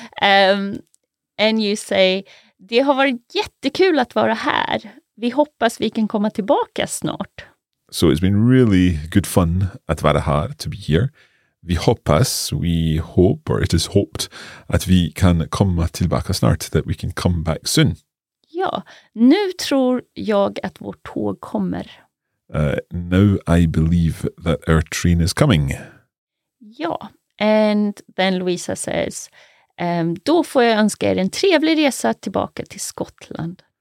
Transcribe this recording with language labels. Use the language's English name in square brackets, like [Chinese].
[English] And you say, [Swedish] det har varit jättekul att vara här. Vi hoppas vi kan komma tillbaka snart. [English] So it's been really good fun [Swedish] att vara här, [English] to be here. [Swedish] Vi hoppas, [English] we hope, or it is hoped, [Swedish] att vi kan komma tillbaka snart, [English] that we can come back soon. [Swedish] Ja, nu tror jag att vårt tåg kommer. [English] Now I believe that our train is coming. [Swedish] Ja, [English] and then Lovisa says, [Swedish] då får jag önska er en trevlig resa tillbaka till Skottland.